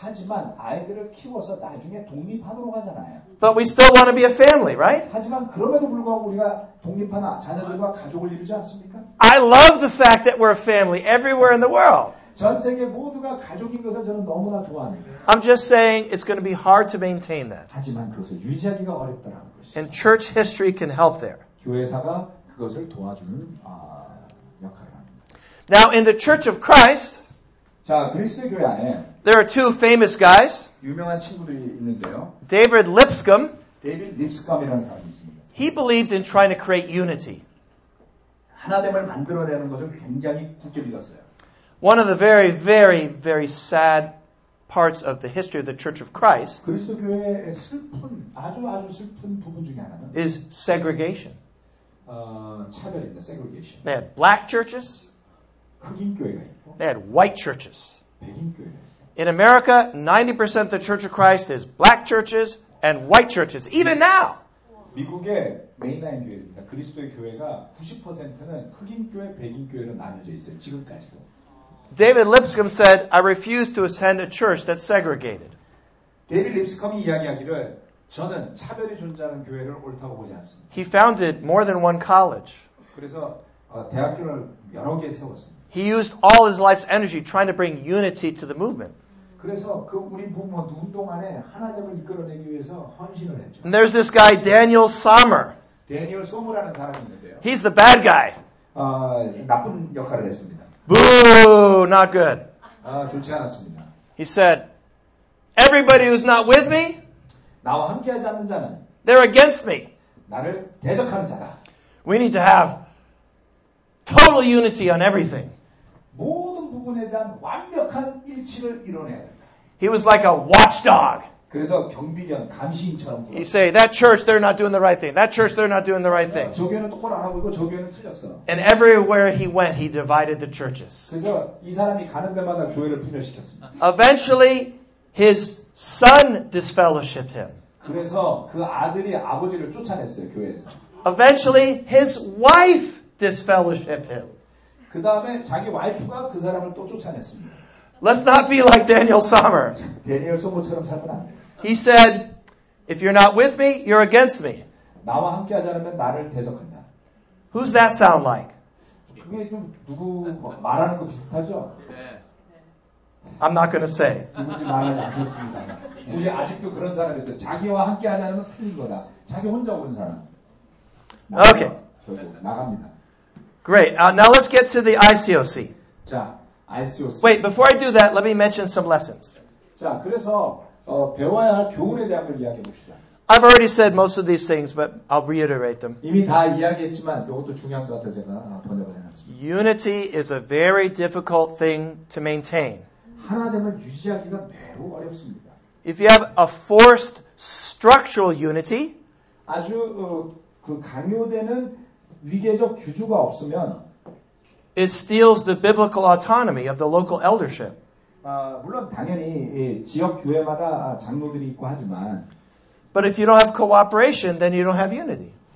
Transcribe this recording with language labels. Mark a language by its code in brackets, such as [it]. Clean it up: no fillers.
[ko] 하지만 아이들을 키워서 나중에 독립하도록 하잖아요. [en] But we still want to be a family, right? [ko] 하지만 그럼에도 불구하고 우리가 독립하나 자녀들과 가족을 이루지 않습니까? [en] I love the fact that we're a family everywhere in the world. [ko] 전 세계 모두가 가족인 것을 저는 너무나 좋아합니다. [en] I'm just saying it's going to be hard to maintain that. [ko] 하지만 그것을 유지하기가 어렵다는 것이. [en] And church history can help there. [ko] 교회사가 그것을 도와주는 역할을 합니다. [en] Now in the Church of Christ. [ko] 자, 그리스도 교회 안에 [en] There are two famous guys. [ko] 유명한 친구들이 있는데요. [en] David Lipscomb. [ko] David Lipscomb이라는 사람이 있습니다. [en] He believed in trying to create unity. [ko] 하나됨을 만들어내는 것을 굉장히 굳게 믿었어요. [en] One of the very, very, very sad parts of the history of the Church of Christ. [ko] 그리스도 교회의 슬픈, 아주 슬픈 부분 중에 하나는 [en] is segregation. [ko] 차별입니다. Segregation. [en] They had black churches. [ko] 흑인 교회가 있고. [en] They had white churches. [ko] 백인 교회가 있어요. [en] In America, 90% of the Church of Christ is black churches and white churches, even now. [ko] 미국의 메인라인 교회입니다. 그리스도의 교회가 90%는 흑인 교회, 백인 교회로 나뉘어져 있어요. 지금까지도. [en] David Lipscomb said, I refuse to attend a church that's segregated. [ko] David Lipscomb이 이야기하기를 저는 차별이 존재하는 교회를 옳다고 보지 않습니다. [en] He founded more than one college. [ko] 그래서 대학교를 여러 개 세웠습니다. [en] He used all his life's energy trying to bring unity to the movement. [ko] 그래서 그 우리 부모님 운동 안에 하나님을 이끌어내기 위해서 헌신을 했죠. [en] And there's this guy Daniel Sommer. [ko] Daniel Sommer라는 사람이 있는데요. [en] He's the bad guy. [ko] 나쁜 역할을 했습니다. [en] Boo, not good. [ko] 좋지 않았습니다. [en] He said, "Everybody who's not with me, [ko] 나와 함께하지 않는 자는, [en] they're against me. [ko] 나를 대적하는 자다. [en] We need to have." Total unity on everything. [ko] 모든 부분에 대한 완벽한 일치를 이뤄내야 된다. [en] He was like a watchdog. [ko] 그래서 경비견, 감시인처럼. [en] He say that church they're not doing the right thing. That church they're not doing the right thing. [ko] 저 교회는 똑바로 안 하고 있고 저 교회는 틀렸어. [en] And everywhere he went, he divided the churches. [ko] 그래서 이 사람이 가는 데마다 교회를 분열시켰습니다. [en] Eventually, his son disfellowshipped him. [ko] 그래서 그 아들이 아버지를 쫓아냈어요 교회에서. [en] Eventually, his wife. Disfellowshipped him. [ko] 그 다음에 자기 와이프가 그 사람을 또 쫓아냈습니다. [en] Let's not be like Daniel Sommer. [ko] Daniel Sommer처럼 살면 안 돼. [en] He said, "If you're not with me, you're against me." [ko] 나와 함께하지 않으면 나를 대적한다. [en] Who's that sound like? [ko] 그게 좀 누구 말하는 거 비슷하죠? [en] I'm not going to say. [ko] 누군지 말하지 않겠습니다. 우리 아직도 그런 사람이 있어. 자기와 함께하지 않으면 틀린 거다. 자기 혼자 온 사람. 나와. Okay. 나갑니다. [en] Great. Now let's get to the ICOC. [ko] 자, ICOC. [en] Wait, before I do that, let me mention some lessons. [ko] 자, 그래서 배워야 할 교훈에 대한 걸 이야기해 봅시다. [en] I've already said most of these things, but I'll reiterate them. [ko] 이미 다 이야기했지만 이것도 중요한 것 같아 제가 번역해놨습니다. [en] Unity is a very difficult thing to maintain. [ko] 하나됨을 유지하기가 매우 어렵습니다. [en] If you have a forced structural unity, [ko] 아주 그 강요되는 위계적 규주가 없으면 [en] it steals the biblical autonomy of the local eldership. [ko] 물론 당연히 지역 교회마다 장로들이 있고 하지만 [en] but if you don't have cooperation then you don't have unity.